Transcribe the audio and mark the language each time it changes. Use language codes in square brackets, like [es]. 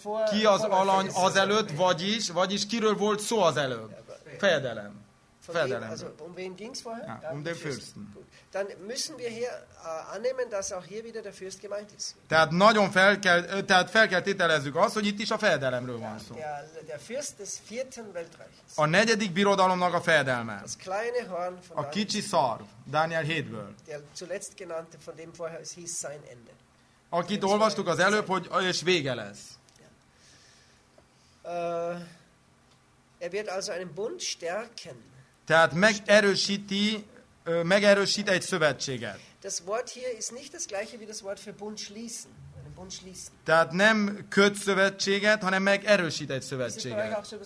[hu] Ki az alany az előtt, vagyis kiről volt szó az előbb? Fejedelem. Fejedelem. [de] Also, wen ging's vorher? Ja, den Fürsten. Dann müssen wir hier annehmen, dass auch hier wieder der Fürst gemeint ist. [hu] Tehát nagyon fel kell tételezzük azt, hogy itt is a fejedelemről van szó. [de] Der Fürst des vierten Weltreichs. [hu] A negyedik birodalomnak a fejedelme. [de] Das kleine Horn von [hu] a kicsi szarv, Dániel 7-ből. [de] Der zuletzt genannte, von dem vorher es hieß sein Ende. [hu] Akit olvastuk az előbb, hogy és vége lesz. [de] Er wird also einen Bund stärken. [hu] Tehát megerősíti, megerősít egy szövetséget. [de] Das Wort hier ist nicht das gleiche wie das Wort für Bund schließen. Bund schließen. [hu] Tehát nem köt szövetséget, hanem megerősít egy szövetséget.